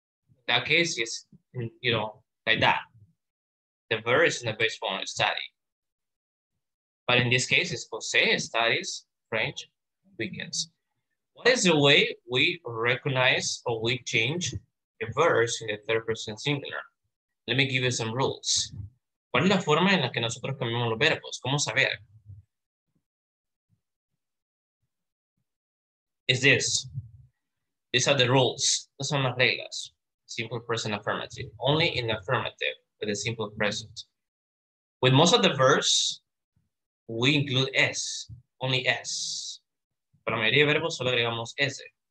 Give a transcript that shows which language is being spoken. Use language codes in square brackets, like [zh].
[en] In that case, it's, you know, like that. The verb is in the base form of study. But in this case, it's Jose studies French weekends. What is the way we recognize or we change a verb in the third person singular? Let me give you some rules. [es] ¿Cuál es la forma en la que nosotros cambiamos los verbos? ¿Cómo saber? [en] Is this. These are the rules. [es] Estas son las reglas. [en] Simple present affirmative. Only in affirmative. With a simple present. With most of the verbs, we include S, only S. [es] Para la mayoría de verbos, solo agregamos S.